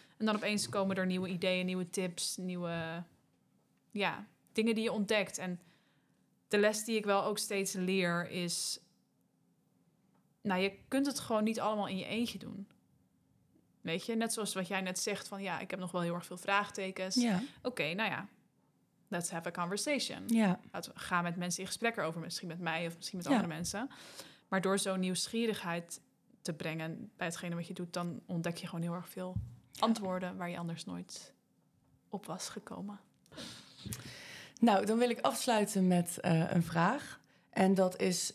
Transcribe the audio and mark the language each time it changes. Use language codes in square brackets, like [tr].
[nl] En dan opeens komen er nieuwe ideeën, nieuwe tips, nieuwe... ja, dingen die je ontdekt. En de les die ik wel ook steeds leer is... je kunt het gewoon niet allemaal in je eentje doen. Weet je, net zoals wat jij net zegt van... ik heb nog wel heel erg veel vraagtekens. Ja. [en] Oké, let's have a conversation. [nl] Ja. Ga met mensen in gesprek erover, misschien met mij of misschien met andere mensen. Maar door zo'n nieuwsgierigheid te brengen bij hetgene wat je doet... dan ontdek je gewoon heel erg veel antwoorden... waar je anders nooit op was gekomen. Nou, dan wil ik afsluiten met een vraag. En dat is...